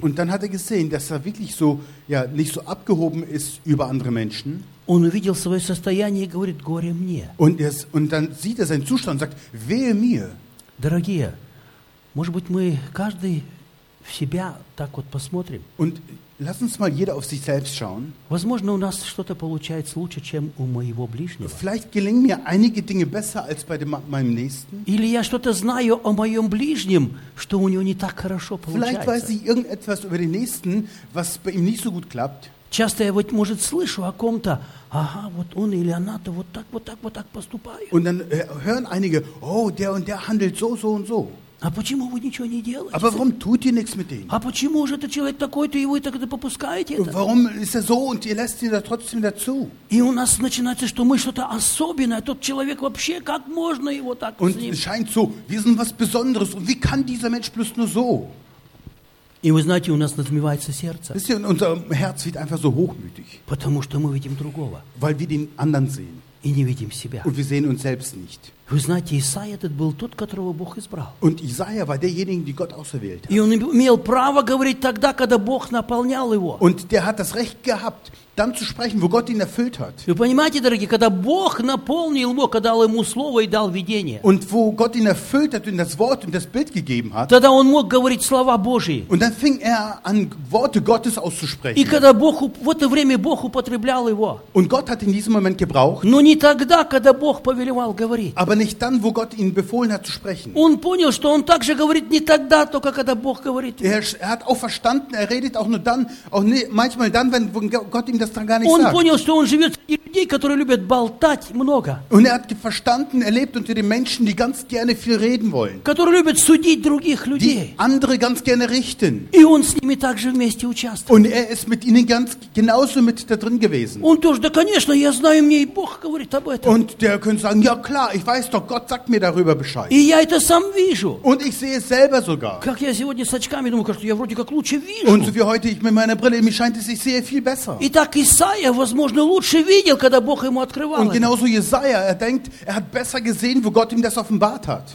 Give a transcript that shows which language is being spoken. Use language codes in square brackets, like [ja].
[de] Und dann hat er gesehen, dass er wirklich so, ja, nicht so abgehoben ist über andere Menschen. [ru] Он увидел свое состояние и говорит: горе мне. [de] Und dann sieht er seinen Zustand und sagt: Wehe mir. [ru] Дорогие, может быть, мы каждый в себя так вот посмотрим. [de] Und lass uns mal jeder auf sich selbst schauen. [ru] Возможно, у нас что-то получается лучше, чем у моего ближнего. [de] Vielleicht gelingen mir einige Dinge besser als bei meinem Nächsten. [ru] Или я что-то знаю о моем ближнем, что у него не так хорошо получается. [de] Vielleicht weiß ich irgendetwas über den Nächsten, was bei ihm nicht so gut klappt. [ru] Часто я, вот, может, слышу о ком-то: ага, вот он или она-то вот так, вот так, вот так поступают. [de] Und dann hören einige: oh, der und der handelt so, so und so. [ru] А почему вы ничего не делаете? [de] Aber warum tut ihr nichts mit denen? [ru] А почему же этот человек такой-то, и вы так это попускаете? [de] Und warum ist er so und ihr lässt ihn da trotzdem dazu? [ru] И у нас начинается, что мы что-то особенное, тот человек вообще, как можно его так und с ним? [de] Und scheint so, wir sind was Besonderes, und wie kann dieser Mensch bloß nur so? [ru] И вы знаете, у нас надмевается сердце. [de] Wisst ihr, unser Herz wird einfach so hochmütig. [ru] Потому что мы видим другого. [de] Weil wir den anderen sehen. [ru] И не видим себя. [de] Und wir sehen uns selbst nicht. [ru] Вы знаете, Исаия этот был тот, которого Бог избрал. [de] Und Isaiah war derjenige, den Gott auserwählt hat. [ru] И он имел право говорить тогда, когда Бог наполнял его. [de] Und der hat das Recht gehabt, dann zu sprechen, wo Gott ihn erfüllt hat. [ru] Вы понимаете, дорогие, когда Бог наполнил его, когда дал ему слово и дал видение. [de] Und wo Gott ihn erfüllt hat und das Wort und das Bild gegeben hat. [ru] Тогда он мог говорить слова Божьи. [de] Und dann fing er an, Worte Gottes auszusprechen. [ru] И когда Бог, в это время Бог употреблял его. [de] Und Gott hat in diesem Moment gebraucht. [ru] Но не тогда, когда Бог повелевал говорить. [de] Aber nicht dann, wo Gott ihn befohlen hat zu sprechen. [ru] Он понял, что он также говорит не тогда, только когда Бог говорит. [de] Er hat auch verstanden, er redet auch nur dann, auch manchmal dann, wenn Gott ihm das dann gar nicht [ru] он [de] sagt. [ru] Понял, что он живет среди людей, которые любят болтать много. [de] Und er hat verstanden, er lebt unter den Menschen, die ganz gerne viel reden wollen. [ru] Которые любят судить других людей. [de] Die andere ganz gerne richten. [ru] И он с ними также вместе участвует. [de] Und er ist mit ihnen ganz genauso mit da drin gewesen. [ru] Он тоже, да, конечно, я знаю, мне и Бог говорит об этом. [de] Und der könnte sagen, ja klar, ich weiß doch, Gott sagt mir darüber Bescheid. Und ich sehe es selber sogar. Und so wie heute, ich mit meiner Brille, mir scheint es, ich sehe viel besser. Und genauso Jesaja, er denkt, er hat besser gesehen, wo Gott ihm das offenbart hat.